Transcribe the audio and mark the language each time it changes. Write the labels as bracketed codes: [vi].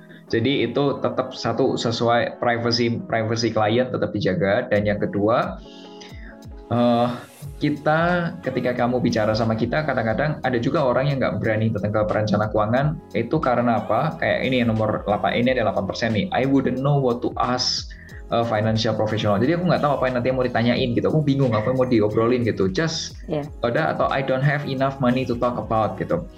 [id] Jadi itu tetap satu, sesuai privacy klien tetap dijaga. Dan yang kedua, kita ketika kamu bicara sama kita, kadang-kadang ada juga orang yang nggak berani tentang perencana keuangan. Itu karena apa? Kayak ini yang nomor 8, ini ada 8% nih. [en] I wouldn't know what to ask a financial professional. [id] Jadi aku nggak tahu apa yang nanti mau ditanyain gitu. Aku bingung apa yang mau diobrolin gitu. Atau [en] I don't have enough money to talk about gitu.